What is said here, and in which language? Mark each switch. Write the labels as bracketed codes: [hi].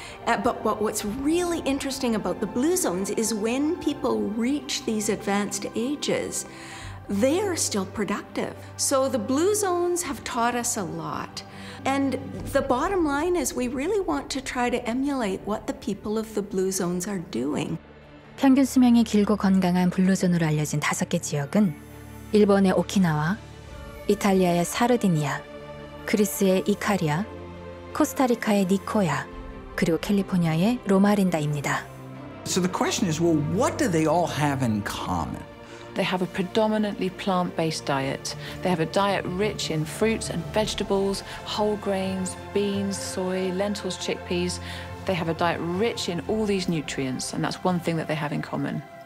[en] But what's really interesting about the blue zones is when people reach these advanced ages, they are still productive. So the blue zones have taught us a lot. And the bottom line is we really want to try to emulate what the people of the blue zones are doing. [ko] 평균 수명이 길고 건강한 블루존으로 알려진 다섯 개 지역은 일본의 오키나와, 이탈리아의 사르디니아, 그리스의 이카리아, 코스타리카의 니코야, 그리고 캘리포니아의 로마린다입니다. [en] So the question is, well, what do they all have in common? They have a predominantly plant-based diet. They have a diet rich in fruits and vegetables, whole grains, beans, soy, lentils, chickpeas. They have a diet rich in all these nutrients, and that's one thing that they have in common.